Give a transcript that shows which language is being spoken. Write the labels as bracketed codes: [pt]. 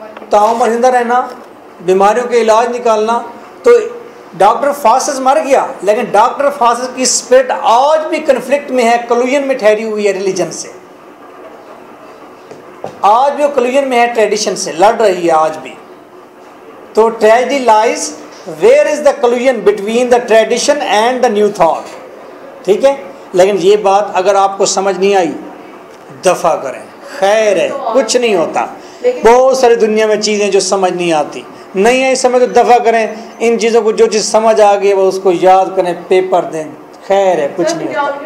[ur] تاؤ میں زندہ رہنا, بیماریوں کے علاج نکالنا. تو ڈاکٹر فاسس مر گیا, لیکن ڈاکٹر فاسس کی اسپرٹ آج بھی کنفلکٹ میں ہے, کلوژن میں ٹھہری ہوئی ہے ریلیجن سے. آج بھی وہ کلوژن میں ہے ٹریڈیشن سے, لڑ رہی ہے آج بھی. [en] تو tragedy lies where is the collision between the tradition and the new thought. [ur] ٹھیک ہے, لیکن یہ بات اگر آپ کو سمجھ نہیں آئی دفاع کریں, خیر ہے, کچھ نہیں ہوتا. بہت ساری دنیا میں چیزیں جو سمجھ نہیں آتی, نہیں آئی سمجھ تو دفاع کریں. ان چیزوں کو جو چیز سمجھ آ گئی وہ اس کو یاد کریں, پیپر دیں, خیر ہے, کچھ نہیں ہوتا.